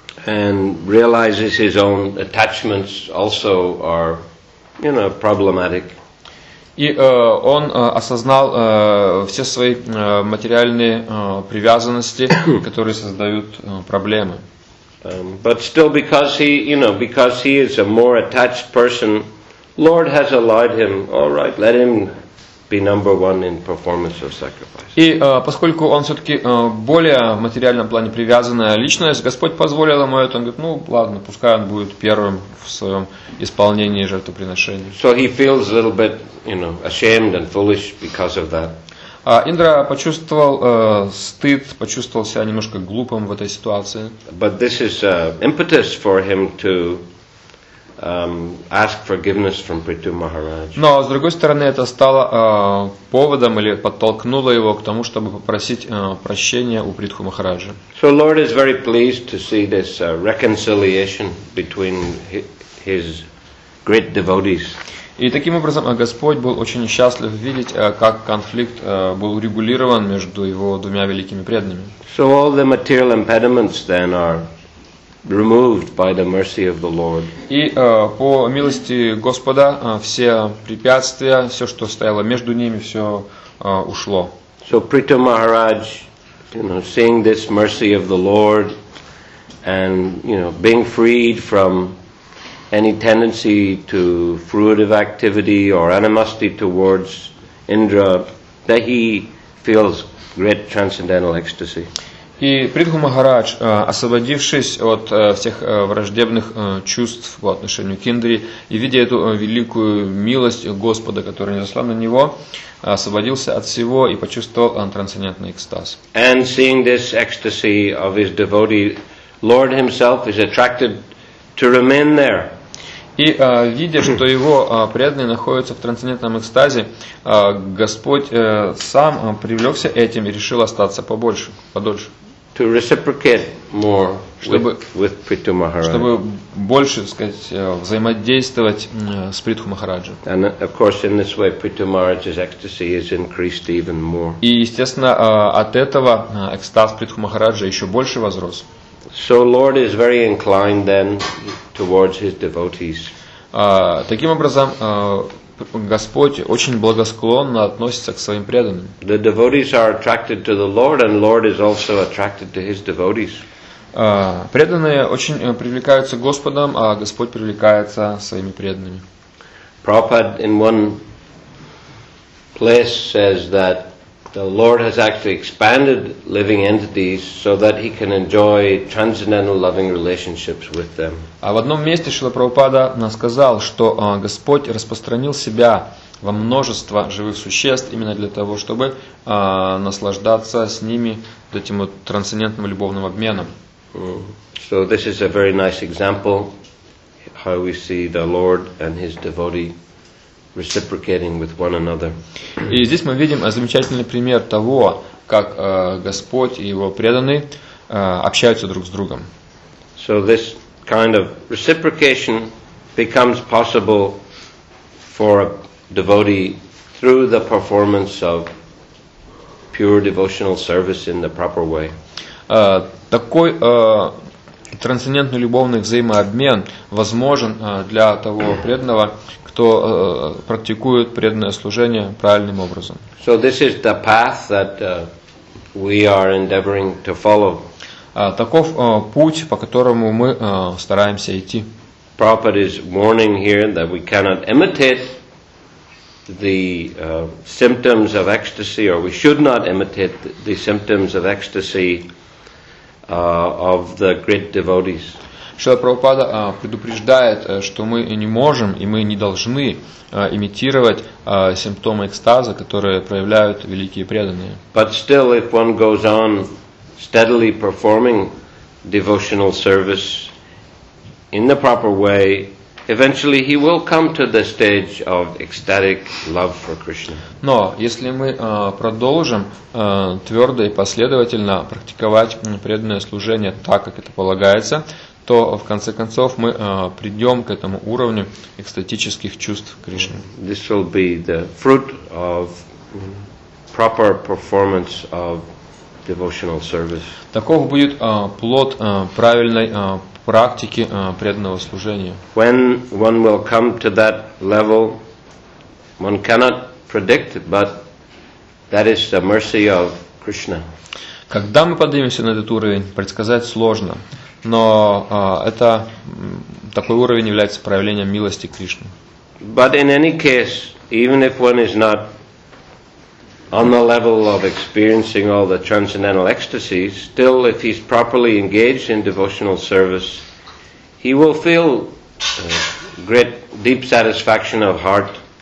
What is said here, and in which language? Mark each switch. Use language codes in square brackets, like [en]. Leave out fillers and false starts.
[en] And realizes his own attachments also are, you know, problematic. [ru] И он осознал все свои материальные привязанности, которые создают проблемы. [en] But still, because he, you know, because he is a more attached person, Lord has allowed him. All right, let him be number one in performance of sacrifice. [ru] И поскольку он все-таки более в материальном плане привязанная личность, Господь позволил ему это. Он говорит, ну ладно, пускай он будет первым в своем исполнении жертвоприношения. [en] So he feels a little bit, you know, ashamed and foolish because of that. [ru] Индра почувствовал стыд, почувствовал себя немножко глупым в этой ситуации. [en] But this is impetus for him to ask forgiveness from Prithu Maharaj. [ru] Но с другой стороны, это стало поводом или подтолкнуло его к тому, чтобы попросить прощения у Притху Махараджа. [en] So Lord is very pleased to see this reconciliation between his great devotees. [ru] И таким образом Господь был очень счастлив видеть, как конфликт был урегулирован между его двумя великими преданными. [en] So all the material impediments then are removed by the mercy of the Lord. [ru] И по милости Господа все препятствия, все, что стояло между ними, все ушло. [en] So Prithu Maharaj, you know, seeing this mercy of the Lord and, you know, being freed from any tendency to fruitive activity or animosity towards Indra, that he feels great transcendental ecstasy. [ru] И Придху Махарадж, освободившись от всех враждебных чувств по отношению к Индре и видя эту великую милость Господа, которая несла на него, освободился от всего и почувствовал трансцендентный экстаз. [en] And seeing this ecstasy of his devotee, Lord himself is attracted to remain there. [ru] И видя, что его преданный находится в трансцендентном экстазе, Господь сам привлекся этим и решил остаться побольше, подольше. [en] To reciprocate more with Prithu Maharaj. [ru] Чтобы больше, так сказать, взаимодействовать с Притху Махараджа. [en] And of course, in this way, Prithu Maharaj's ecstasy is increased even more. [ru] И естественно, от этого экстаз Притху Махараджа еще больше возрос. [en] So Lord is very inclined then towards his devotees. [ru] Таким образом, Господь очень благосклонно относится к своим преданным. [en] The devotees are attracted to the Lord, and Lord is also attracted to his devotees. [ru] Преданные очень привлекаются Господом, а Господь привлекается своими преданными. [en] Prabhupada in one place says that the Lord has actually expanded living entities so that he can enjoy transcendental loving relationships with them. [ru] А в одном месте Шрила Прабхупада сказал, что Господь распространил себя во множество живых существ именно для того, чтобы наслаждаться с ними этим вот трансцендентным любовным обменом. [en] So this is a very nice example how we see the Lord and his devotee reciprocating with one another. [ru] И здесь мы видим замечательный пример того, как Господь и его преданные общаются друг с другом. [en] So this kind of reciprocation becomes possible for a devotee through the performance of pure devotional service in the proper way. [ru] Такой трансцендентный любовный взаимообмен возможен для того преданного, кто практикует преданное служение правильным образом. [en] So this is the path that we are endeavoring to follow. [ru] Таков путь, по которому мы стараемся идти. [en] Prabhupada is warning here that we cannot imitate the symptoms of ecstasy, or we should not imitate the symptoms of ecstasy of the great devotees. [ru] Шрила Прабхупада предупреждает, что мы не можем и мы не должны имитировать симптомы экстаза, которые проявляют великие преданные. [en] But still, if one goes on steadily performing devotional service in the proper way, eventually he will come to the stage of ecstatic love for Krishna. [ru] Но если мы продолжим твердо и последовательно практиковать преданное служение так, как это полагается, то в конце концов мы придем к этому уровню экстатических чувств Кришны. [en] This will be the fruit of proper performance of devotional service. [ru] Таков будет плод правильной практики преданного служения. [en] When one will come to that level, one cannot predict, but that is the mercy of Krishna. [ru] Когда мы поднимемся на этот уровень, предсказать сложно. Но это такой уровень является проявлением милости Кришны. [en] But in any case, even if one is not on the level of experiencing all the transcendental ecstasies, still if he's properly engaged in devotional service, he will feel great deep satisfaction of heart.